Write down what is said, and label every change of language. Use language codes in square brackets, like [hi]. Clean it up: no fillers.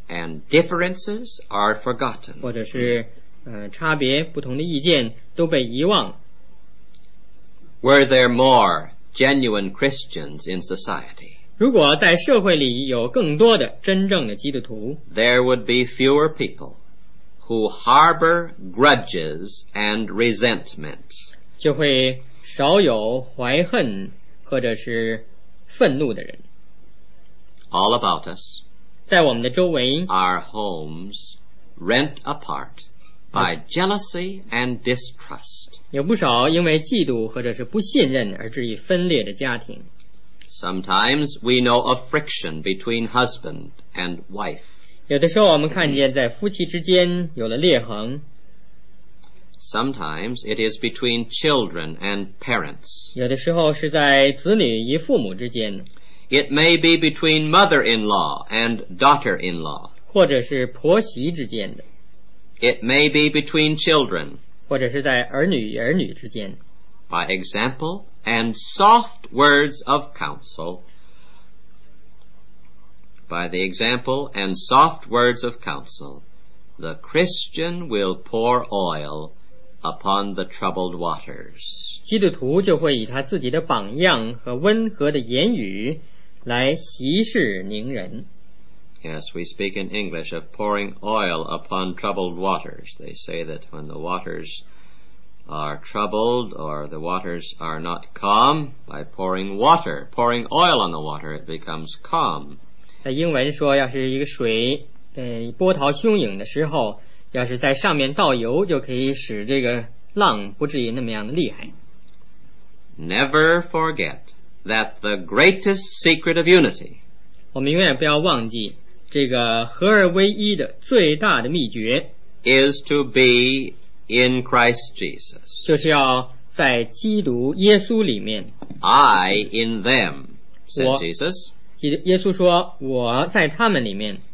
[en] and differences are forgotten [zh] 或者是差别不同的意见都被遗忘 [en] Were there more genuine Christians in society [zh] 如果在社会里有更多的真正的基督徒 [en] There would be fewer people who harbor grudges and resentments [zh] 就会少有怀恨或者是愤怒的人 [en] All about us, [zh] 在我们的周围 [en] our homes rent apart by jealousy and distrust. [zh] 有不少因为嫉妒或者是不信任而致以分裂的家庭。 [en] Sometimes we know a friction between husband and wife. [zh] 有的时候我们看见在夫妻之间有了裂痕。 [en] Sometimes it is between children and parents. [zh] 有的时候是在子女与父母之间。 [en] It may be between mother-in-law and daughter-in-law. [zh] 或者是婆媳之间的。 [en] It may be between children. [zh] 或者是在儿女与儿女之间。 [en] By example and soft words of counsel. By the example and soft words of counsel, the Christian will pour oil upon the troubled waters. [zh] 基督徒就会以他自己的榜样和温和的言语来息事宁人。 [en] Yes, we speak in English of pouring oil upon troubled waters. They say that when the waters are troubled or the waters are not calm, by pouring oil on the water, it becomes calm. [zh] 在英文说，要是一个水，波涛汹涌的时候，要是在上面倒油，就可以使这个浪不至于那么样的厉害。 [en] Never forget that the greatest secret of unity. [zh] 我们永远不要忘记这个合而为一的最大的秘诀 [en] is to be in Christ Jesus. [zh] 就是要在基督耶稣里面。 [en] I in them, said Jesus. [zh] 耶稣说，我在他们里面。